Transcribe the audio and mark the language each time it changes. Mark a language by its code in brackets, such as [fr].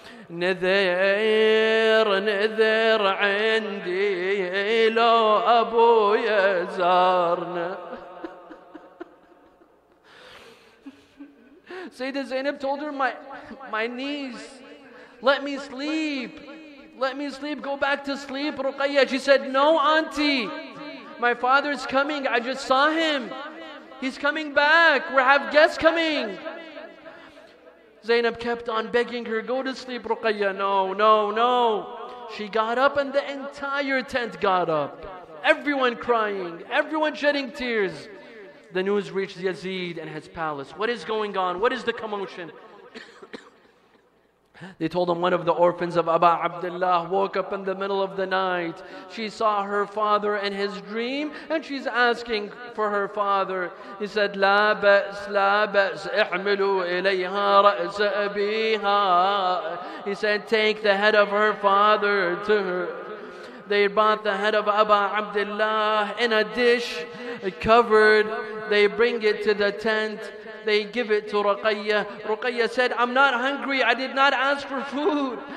[ar] نذير نذير عندي لو أبويا زارنا. [en] Sayyida Zainab told her, my niece, let me sleep. Let me sleep. Go back to sleep, Ruqayya. She said, no, auntie. My father is coming. I just saw him. He's coming back. We have guests coming. Zainab kept on begging her, go to sleep, Ruqayya. No, no, no. She got up and the entire tent got up. Everyone crying. Everyone shedding tears. The news reached Yazid and his palace. What is going on? What is the commotion? They told him one of the orphans of Aba Abdullah woke up in the middle of the night. She saw her father in his dream and she's asking for her father. He said, [ar] لا بأس لا بأس احملوا إليها رأس أبيها. [en] He said, take the head of her father to her. They brought the head of Aba Abdullah in a dish covered. They bring it to the tent. They give it to Ruqayya. Ruqayya said, I'm not hungry. I did not ask for food.